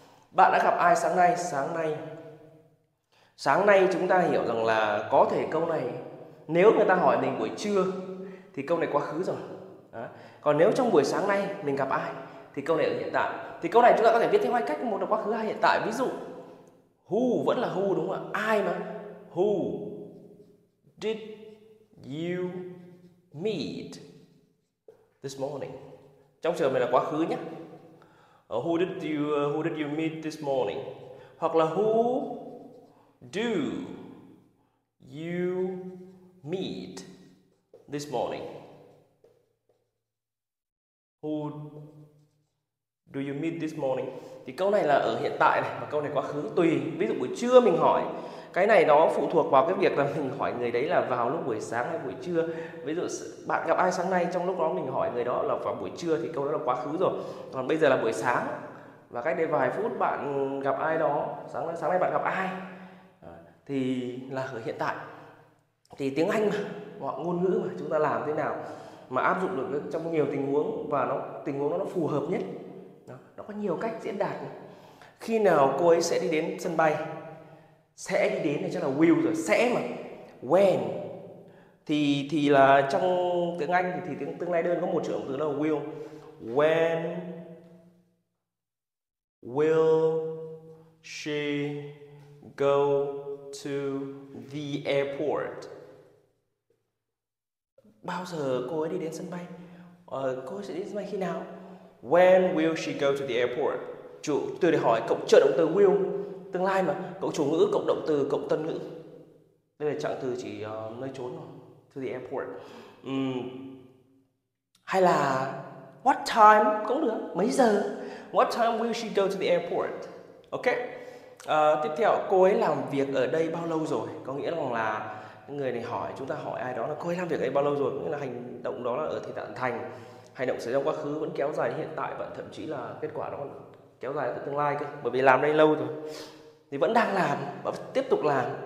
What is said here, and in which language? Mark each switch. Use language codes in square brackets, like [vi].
[vi] Bạn đã gặp ai sáng nay? Sáng nay. Sáng nay chúng ta hiểu rằng là có thể câu này, nếu người ta hỏi mình buổi trưa thì câu này quá khứ rồi. Đó. Còn nếu trong buổi sáng nay mình gặp ai thì câu này ở hiện tại. Thì câu này chúng ta có thể viết thêm hai cách, một là quá khứ, hai hiện tại. Ví dụ who vẫn là who, đúng không ạ? Ai mà. [en] Who did you meet this morning? [vi] Trong trường này là quá khứ nhé. [en] Who did you meet this morning? [vi] Hoặc là [en] who do you meet this morning? Who do you meet this morning? [vi] Thì câu này là ở hiện tại này, và câu này quá khứ tùy. Ví dụ buổi trưa mình hỏi, cái này nó phụ thuộc vào cái việc là mình hỏi người đấy là vào lúc buổi sáng hay buổi trưa. Ví dụ bạn gặp ai sáng nay, trong lúc đó mình hỏi người đó là vào buổi trưa thì câu đó là quá khứ rồi. Còn bây giờ là buổi sáng, và cách đây vài phút bạn gặp ai đó, sáng nay bạn gặp ai, thì là ở hiện tại. Thì tiếng Anh mà, ngôn ngữ mà chúng ta làm thế nào mà áp dụng được trong nhiều tình huống và nó tình huống nó phù hợp nhất. Nó có nhiều cách diễn đạt. Khi nào cô ấy sẽ đi đến sân bay? Sẽ đi đến thì chắc là will rồi, sẽ mà. When thì là trong tiếng Anh thì tiếng tương lai đơn có một trường từ là will. [en] When will she go to the airport? [vi] Bao giờ cô ấy đi đến sân bay? Cô ấy sẽ đi sân bay khi nào? [en] When will she go to the airport? [vi] Chủ từ để hỏi cộng trợ động từ will, tương lai mà, cộng chủ ngữ cộng động từ cộng tân ngữ. Đây là trạng từ chỉ nơi chốn rồi, [en] to the airport. [vi] Hay là [en] what time [vi] cũng được, mấy giờ? [en] What time will she go to the airport? Ok. [vi] Tiếp theo, cô ấy làm việc ở đây bao lâu rồi? Có nghĩa là người này hỏi, chúng ta hỏi ai đó là cô ấy làm việc ở đây bao lâu rồi? Có nghĩa là hành động đó là ở thời đoạn thành. Hành động xảy ra quá khứ vẫn kéo dài hiện tại và thậm chí là kết quả nó còn kéo dài tới tương lai cơ. Bởi vì làm đây lâu rồi thì vẫn đang làm và tiếp tục làm.